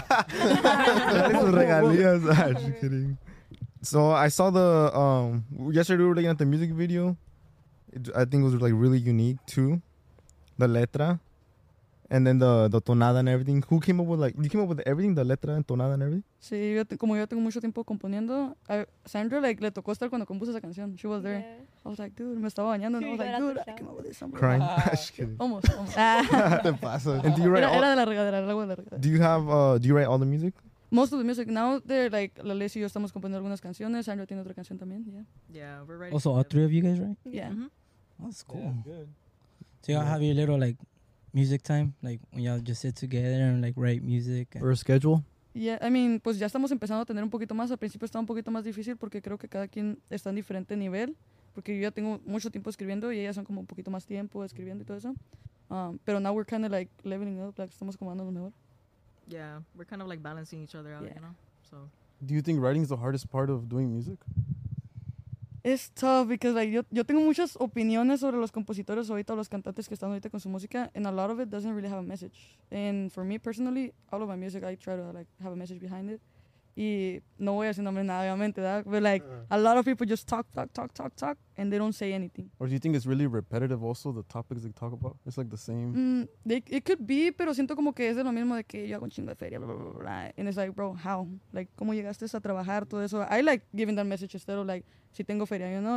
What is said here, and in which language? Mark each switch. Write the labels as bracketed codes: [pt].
[en] Regalías. Just kidding. So I saw the yesterday we were looking at the music video. I think it was like really unique too, the letra, and then the tonada and everything. Who came up with like you came up with everything, the letra and tonada and everything? [es] Sí, como yo tengo mucho tiempo componiendo, Sandra like le tocó estar cuando compuso esa canción. [en] She was there. Yeah. I was like, dude, [es] me estaba bañando. [en] And I was like, dude, I came up with this song. Crying. Just kidding. Almost. [es] Te pasa. [en] And do you write? [es] Era de la regadera, el agua de la regadera. [en] Do you have do you write all the music? Most of the music now, they're like, [es] Lales y yo estamos componiendo algunas canciones. Andrew tiene otra canción también, yeah. [en] Yeah, we're writing. Also, all three of you guys, right? Yeah. Mm-hmm. That's cool. Yeah, good. So y'all have your little, like, music time? Like, when y'all just sit together and, like, write music? Or a schedule? Yeah, I mean, [es] pues ya estamos empezando a tener un poquito más. Al principio estaba un poquito más difícil porque creo que cada quien está en diferente nivel. Porque yo ya tengo mucho tiempo escribiendo y ellas son como un poquito más tiempo escribiendo y todo eso. [en] Pero now we're kind of, like, leveling up. [es] Like, estamos como andando mejor. [en] Yeah, we're kind of like balancing each other out, yeah. You know, so. Do you think writing is the hardest part of doing music? It's tough because like, [es] yo tengo muchas opiniones sobre los compositores ahorita, los cantantes que están ahorita con su música, [en] and a lot of it doesn't really have a message. And for me personally, all of my music, I try to like have a message behind it. [es] Y no voy a decir nombre nada, obviamente, ¿verdad? [en] But like, a lot of people just talk, and they don't say anything. Or do you think it's really repetitive also, the topics they talk about? It's like the same? It could be, [es] pero siento como que es de lo mismo de que yo hago un chingo de feria, blah, blah, blah, blah. [en] And it's like, bro, how? [es] Like, ¿cómo llegaste a trabajar todo eso? [en] I like giving that message instead of like, [es] si tengo feria, [en] you know?